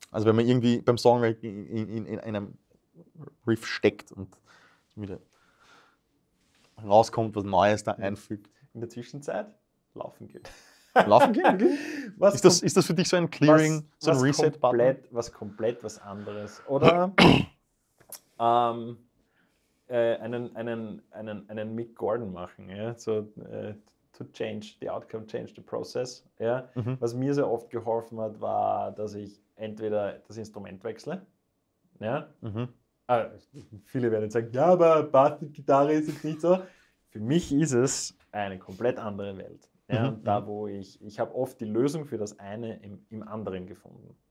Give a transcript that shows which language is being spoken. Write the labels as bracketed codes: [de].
[de] Also wenn man irgendwie beim Songwriting in einem Riff steckt und wieder rauskommt, was Neues da einfügt. In der Zwischenzeit laufen geht. Laufen gehen? Was ist, ist das für dich so ein Clearing, so ein Reset-Button? Was komplett anderes. Oder einen Mick Gordon machen, ja? [en] To change the outcome, change the process. [de] Ja? Mhm. Was mir sehr oft geholfen hat, war, dass ich entweder das Instrument wechsle. Ja? Mhm. Also, viele werden sagen, ja, aber Bass und Gitarre ist nicht so. Für mich ist es eine komplett andere Welt. Ja, mhm. Da, wo ich habe oft die Lösung für das eine im anderen gefunden.